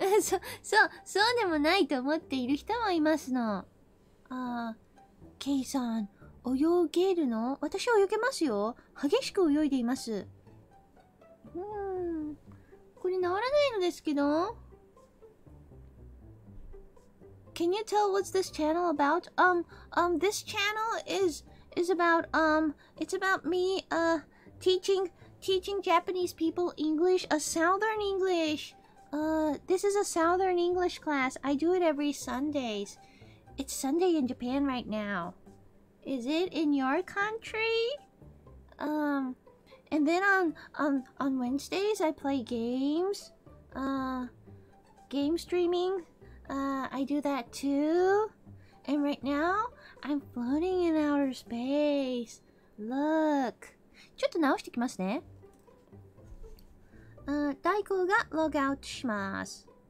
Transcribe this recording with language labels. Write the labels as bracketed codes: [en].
[ja] そうでもないと思っている人もいますの。ケイさん、泳げるの？私泳げますよ。激しく泳いでいます。これ治らないのですけど。 [en] Can you tell what's this channel about? This channel is about, it's about me, teaching Japanese people English, southern English. This is a Southern English class. I do it every Sundays. It's Sunday in Japan right now. Is it in your country? And then on Wednesdays, I play games. Game streaming. I do that too. And right now, I'm floating in outer space. Look. [ja] ちょっと直してきますね。大工がログアウトします。